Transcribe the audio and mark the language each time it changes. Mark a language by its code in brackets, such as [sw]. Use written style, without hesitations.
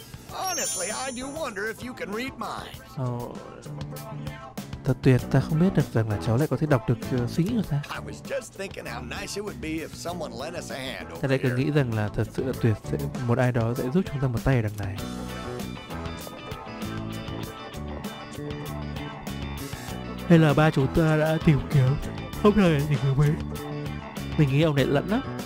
[en] Honestly, I do wonder if you can read mine. [vi] Thật tuyệt, ta không biết được rằng là cháu lại có thể đọc được suy nghĩ của ta. [en] I was just thinking how nice it would be if someone lent us a hand. [vi] Ta lại cứ nghĩ rằng là thật sự là tuyệt sẽ một ai đó sẽ giúp chúng ta một tay ở đằng này. Hay là ba chúng ta đã tìm kiếm không ngờ gì của mình. Mình nghĩ ông này lẫn lắm.